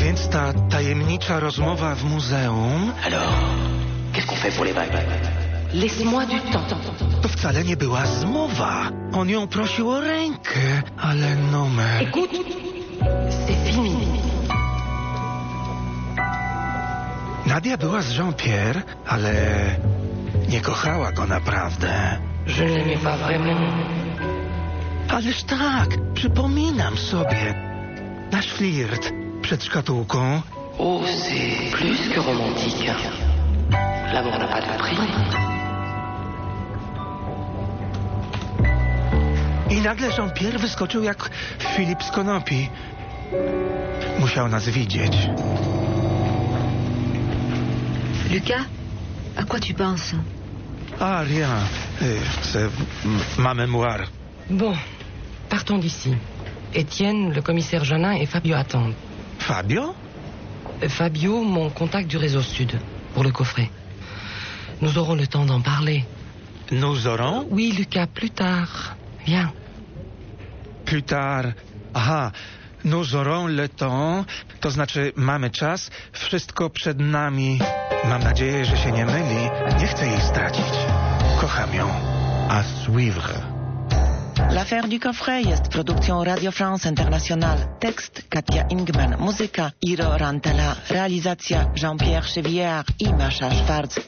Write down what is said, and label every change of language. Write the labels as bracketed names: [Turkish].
[Polish] Ta tajemnicza rozmowa w muzeum. [French] Alors, qu'est-ce qu'on fait pour les bagues? Laisse-moi du temps. [Polish] To wcale nie była zmowa. On ją prosił o rękę, ale numer. [French] Écoute, c'est fini. [Polish] Nadia była z Jean-Pierre, ale nie kochała go naprawdę. [French] Je l'aimais pas vraiment. [Polish] Ależ tak, przypominam sobie. Nasz flirt przed szkatułką. [French] Oh, c'est plus que romantique. L'amour n'a pas de prix. [Polish] I nagle Jean-Pierre wyskoczył jak Filip z konopi. Musiał nas widzieć. [French] Lucas, à quoi tu penses? Ah, rien. C'est ma mémoire. Bon, partons d'ici. Étienne, le commissaire Jeannin et Fabio attendent. Fabio? Fabio, mon contact du réseau Sud, pour le coffret. Nous aurons le temps d'en parler. Nous aurons? Oui, Lucas, plus tard. Viens. Plus tard. Aha, nous aurons le temps. [Polish] To znaczy, mamy czas. Wszystko przed nami. Mam nadzieję, że się nie myli. Nie chcę jej stracić. Kocham ją. [French] À suivre. [Polish] L'affaire du coffret jest produkcją Radio France International. Tekst Katia Ingman. Muzyka Iro Rantala. Realizacja Jean-Pierre Chevillard i Masza Schwarz.